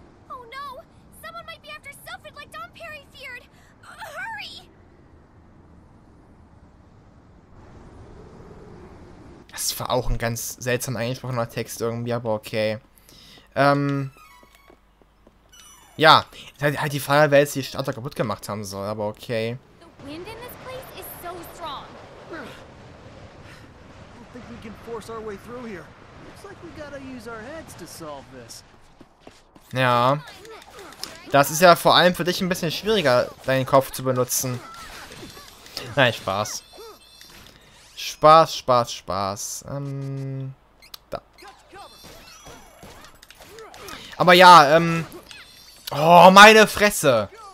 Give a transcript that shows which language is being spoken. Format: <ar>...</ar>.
<en>Oh no! Someone might be after Sylphid like Dom Perry feared! Hurry!</en> <de>Das war auch ein ganz seltsam eingesprochener Text irgendwie, aber okay. Ja, halt die Frage, wer jetzt die Stadt kaputt gemacht haben soll, aber okay.</de> <en>The wind in this place is so strong. I don't think we can force our way through here. Looks like we gotta use our heads to solve this.</en> <de>Ja. Das ist ja vor allem für dich ein bisschen schwieriger, deinen Kopf zu benutzen. Nein, Spaß. Spaß. Da. Aber ja, Oh, meine Fresse!</de>